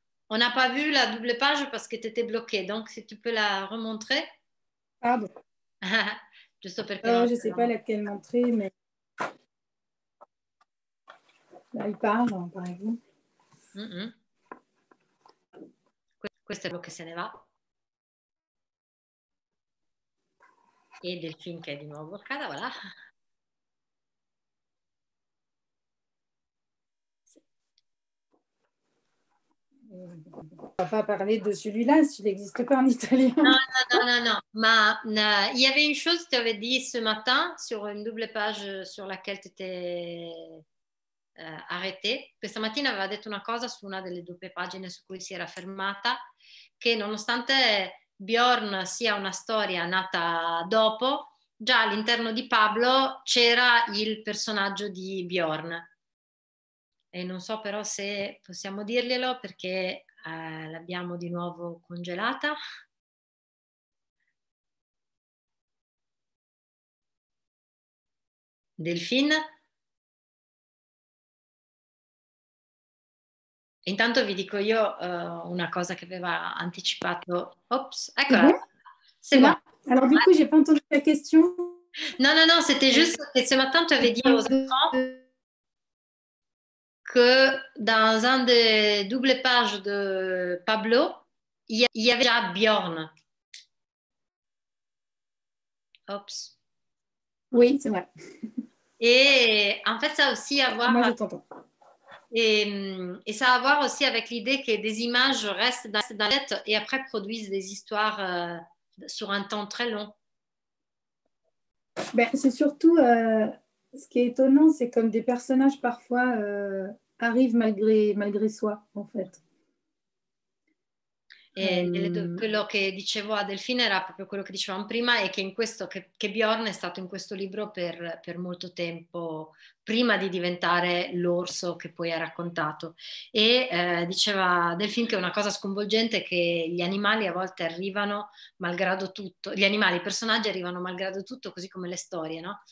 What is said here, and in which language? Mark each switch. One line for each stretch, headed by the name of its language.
French: On n'a pas vu la double page parce que t'étais bloqué, donc si tu peux la remontrer. Pardon. Juste pour que je ne sais pas laquelle montrer, mais là, il parle, par exemple. Mm-hmm.
Italian: Questo è quello che se ne va. E Delphine che è di nuovo bloccata, voilà.
French: On va pas parler de celui-là s'il n'existe pas en italien. Non. Mais il y avait une chose que tu avais dit ce matin sur une double page sur laquelle tu étais arrêtée.
Italian: Questa mattina aveva detto una cosa su una delle due pagine su cui si era fermata, che nonostante Bjorn sia una storia nata dopo, già all'interno di Pablo c'era il personaggio di Bjorn. E non so però se possiamo dirglielo perché l'abbiamo di nuovo congelata. Delphine? Intanto vi dico io una cosa che aveva anticipato. Ops, eccola. Là.
French: Alors, du coup, j'ai pas entendu la question. Non, non, non, c'était juste que ce matin, tu avais dit aux enfants que dans un des doubles pages de Pablo, il y avait déjà Bjorn. Oups. Oui, c'est vrai. Et en fait, ça a aussi à voir... Moi, je t'entends. Et ça a à voir aussi avec l'idée que des images restent dans la tête et après produisent des histoires sur un temps très long. Ben, c'est surtout ce qui est étonnant, c'est comme des personnages parfois arrivent malgré soi, en fait.
Italian: E quello che dicevo a Delphine era proprio quello che dicevamo prima, è che in questo che Bjorn è stato in questo libro per molto tempo prima di diventare l'orso che poi ha raccontato. E diceva Delphine che è una cosa sconvolgente che gli animali a volte arrivano malgrado tutto, gli animali, i personaggi arrivano malgrado tutto, così come le storie, no?